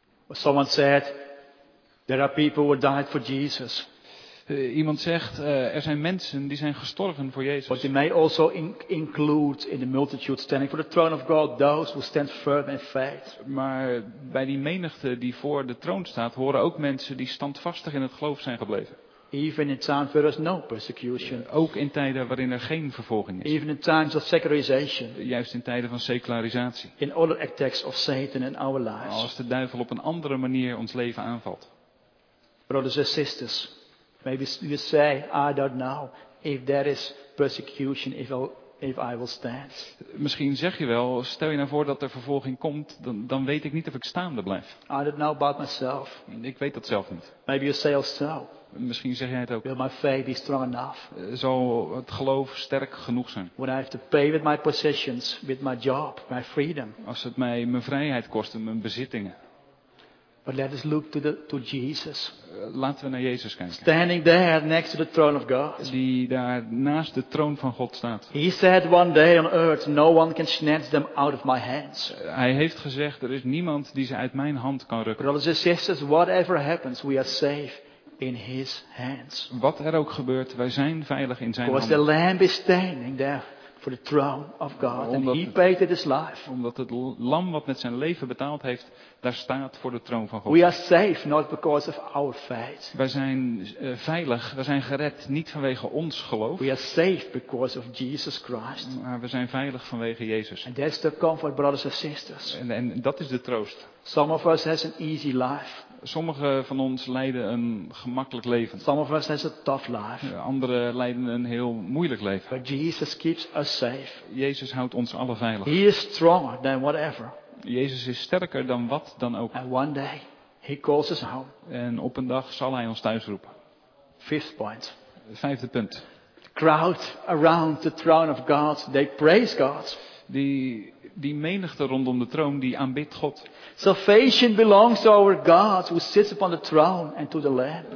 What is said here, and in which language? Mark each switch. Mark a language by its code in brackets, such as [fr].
[en] Someone said, there are people who died for Jesus. [nl] Iemand zegt, er zijn mensen die zijn gestorven voor Jezus. [en] But they may also include in the multitude standing for the throne of God those who stand firm in faith. [nl] Maar bij die menigte die voor de troon staat, horen ook mensen die standvastig in het geloof zijn gebleven. [en] Even in times where there's no persecution. [nl] Ook in tijden waarin er geen vervolging is. [en] Even in times of secularization. [nl] Juist in tijden van secularisatie. [en] In other attacks of Satan in our lives. [nl] Als de duivel op een andere manier ons leven aanvalt. [en] Brothers and sisters, maybe you say, I don't know if there is persecution if I will stand. [nl] Misschien zeg je wel, stel je nou voor dat er vervolging komt, dan weet ik niet of ik staande blijf. [en] I don't know about myself. [nl] Ik weet dat zelf niet. [en] Maybe you say also. [nl] Misschien zeg jij het ook. [en] Will my faith be strong enough? [nl] Zal het geloof sterk genoeg zijn? [en] When I have to pay with my possessions, with my job, my freedom. [nl] Als het mij mijn vrijheid kost en mijn bezittingen. [en] But let us look to Jesus. [nl] Laten we naar Jezus kijken. [en] Standing there next to the throne of God. [nl] Die daar naast de troon van God staat. [en] He said one day on earth, no one can snatch them out of my hands. [nl] Hij heeft gezegd, er is niemand die ze uit mijn hand kan rukken. [en] Brothers and sisters, whatever happens, we are safe. In his hands. [nl] Wat er ook gebeurt, wij zijn veilig in zijn handen. [en] Because the Lamb is standing there for the throne of God, and he paid with his life. [nl] Omdat het lam wat met zijn leven betaald heeft, daar staat voor de troon van God. [en] We are safe not because of our faith. [nl] Wij zijn veilig, we zijn gered niet vanwege ons geloof. [en] We are safe because of Jesus Christ. [nl] Maar we zijn veilig vanwege Jezus. [en] And that's the comfort, brothers and sisters. [nl] En dat is de troost. [en] Some of us has an easy life. [nl] Sommigen van ons leiden een gemakkelijk leven. [en] Some of us has a tough life. [nl] Anderen leiden een heel moeilijk leven. [en] But Jesus keeps us safe. [nl] Jezus houdt ons alle veilig. [en] He is stronger than whatever. [nl] Jezus is sterker dan wat dan ook. [en] And one day he calls us home. [nl] En op een dag zal hij ons thuis roepen. [en] Fifth point. [nl] Vijfde punt. [en] The crowd around the throne of God, they praise God. [nl] Die menigte rondom de troon die aanbidt God. [en] Salvation belongs to our God who sits upon the throne and to the Lamb.